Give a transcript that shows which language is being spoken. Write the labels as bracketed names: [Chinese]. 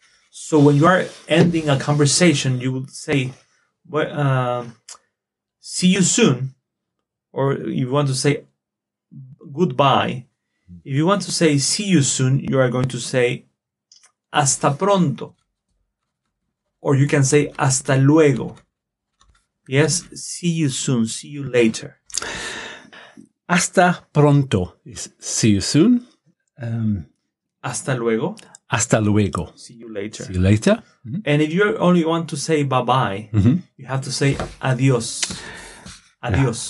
[English] So when you are ending a conversation, you would say, well, see you soon. Or you want to say goodbye. If you want to say see you soon, you are going to say [Spanish] hasta pronto. [English] Or you can say [Spanish] hasta luego. [English] Yes, see you soon, see you later. Hasta pronto is see you soon. [Spanish] Hasta luego. Hasta luego. [English] See you later. See you later. Mm-hmm. And if you only want to say bye-bye, mm-hmm. you have to say adios. Adios.